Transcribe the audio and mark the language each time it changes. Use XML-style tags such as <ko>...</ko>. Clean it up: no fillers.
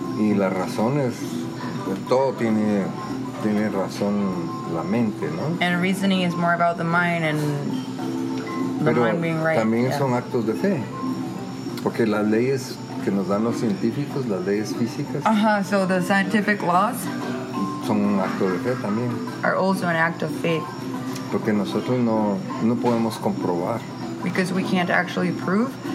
<es>Y la razón es todo tiene razón la mente, ¿no?</es> <en>And reasoning is more about the mind and</en> <es>pero</es> <en>the mind being right.</en> <es>También son actos de fe. Porque las leyes que nos dan los científicos, las leyes físicas.</es> <en>Uh-huh, so the scientific laws</en> <es>son un acto de fe también.</es> <en>Are also an act of faith.</en> <es>Porque nosotros no, no podemos comprobar.</es> <en>Because we can't actually prove.</en>